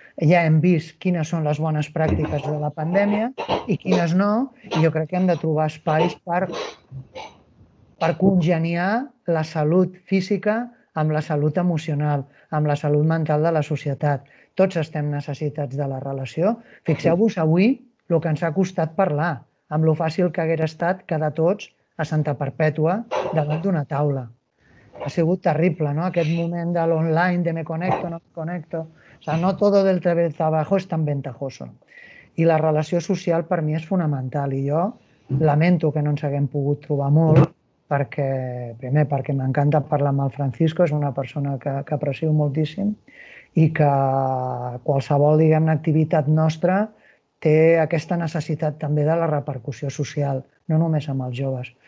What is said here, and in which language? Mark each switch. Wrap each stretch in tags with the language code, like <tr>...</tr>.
<ca>Ja hem vist quines són les bones pràctiques de la pandèmia i quines no, i jo crec que hem de trobar espais per congeniar la salut física amb la salut emocional, amb la salut mental de la societat. Tots estem necessitats de la relació. Fixeu-vos avui el que ens ha costat parlar, amb lo fàcil que haguera estat quedar tots a Santa Perpètua davant d'una taula. Ha sigut terrible, no?, aquest moment de l'online, de</ca> <es>me conecto, no me conecto. O sea, no todo del trabajo es tan ventajoso.</es> <ca>I la relació social per mi és fonamental i jo lamento que no ens haguem pogut trobar molt perquè, primer, perquè m'encanta parlar amb el Francisco, és una persona que aprecio moltíssim i que qualsevol, diguem-ne, activitat nostra té aquesta necessitat també de la repercussió social, no només amb els joves.</ca>